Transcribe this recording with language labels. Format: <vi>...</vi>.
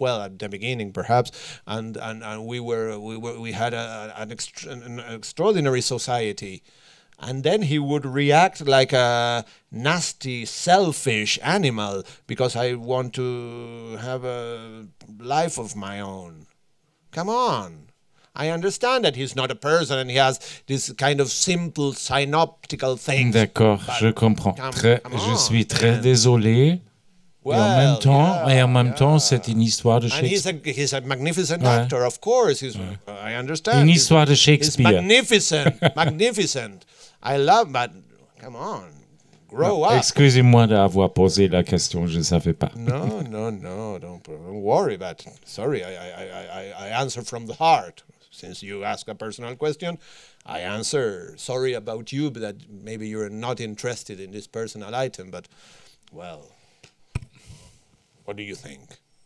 <en>Well, at the beginning, perhaps, and we had an extraordinary society, and then he would react like a nasty, selfish animal because I want to have a life of my own. Come on. I understand that he's not a person and he has this kind of simple synoptical thing.</en> <fr>D'accord, je comprends. Je suis très désolé. Well, et en même temps, c'est une histoire de Shakespeare.</fr> <en>And he's a magnificent actor, of course. I understand.</en> <fr>Une histoire de Shakespeare.</fr> <en>He's magnificent, magnificent. I love, but come on, grow up.</en> <fr>Excusez-moi d'avoir posé la question, je ne savais pas.</fr> <en>No, don't worry, but sorry, I answer from the heart. Since you ask a personal question, I answer. Sorry about you, but that maybe you're not interested in this personal item, but, well, what do you think?</en>